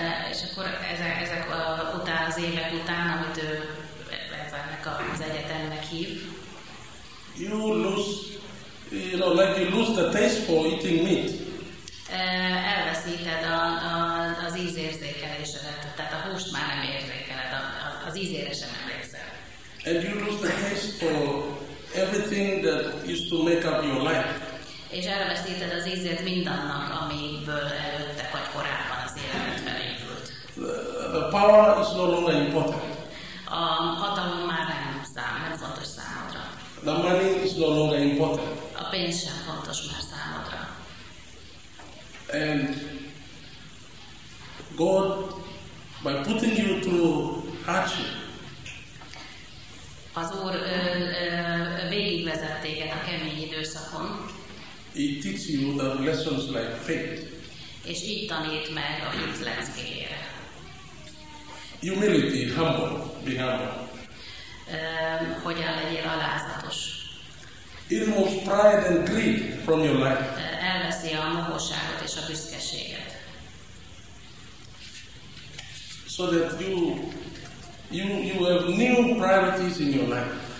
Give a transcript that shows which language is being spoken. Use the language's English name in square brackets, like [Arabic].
[Hungarian] És akkor ezek után, az évek után, amit ő ennek az egyetemnek hív. [English] You lose, you know, like you lose the taste for eating meat. [Hungarian] Elveszíted az ízérzékelésedet, tehát a húst már nem érzékeled, az ízére sem emlékszel. [English] And you lose the taste for everything that used to make up your life. [Hungarian] És elveszíted az ízét mindannak, amiből előtte vagy korábban az életed felépült. [English] The power is no longer important. [Hungarian] A hatalom már nem fontos számodra. [English] The money is no longer important. [Hungarian] A pénz sem fontos már számodra. [English] And God, by putting you through hardship, [Hungarian] az Úr végigvezet téged a kemény időszakon. [English] He teaches you the lessons like faith. [Hungarian] És így tanít meg a hit leckéjére. [English] Humility, humble, be humble. [Hungarian] Hogyan legyél alázatos. [English] It removes pride and greed from your life. [Hungarian] Elveszi a mohóságot és a büszkeséget. [English] So that you have new priorities in your life.